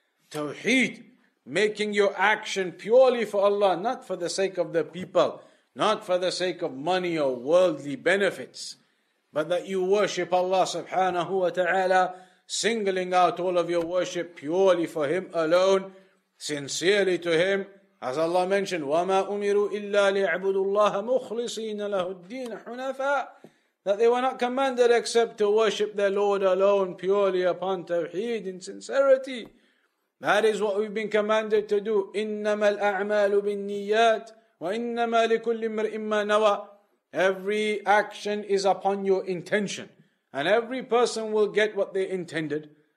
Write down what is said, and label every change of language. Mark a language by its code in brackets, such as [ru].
[en] Tawheed, making your action purely for Allah, not for the sake of the people, not for the sake of money or worldly benefits, but that you worship Allah subhanahu wa ta'ala, singling out all of your worship purely for Him alone, sincerely to Him. As Allah mentioned, [ar] وَمَا أُمِرُوا إِلَّا لِيَعْبُدُوا اللَّهَ مُخْلِصِينَ لَهُ الدِّينَ حُنَفَاءَ. [en] That they were not commanded except to worship their Lord alone purely upon tawheed in sincerity. That is what we've been commanded to do. [ar] إِنَّمَا الْأَعْمَالُ بِالنِّيَّاتِ وَإِنَّمَا لِكُلِّ امْرِئٍ مَّا نَوَى. [en] Every action is upon your intention. And every person will get what they intended.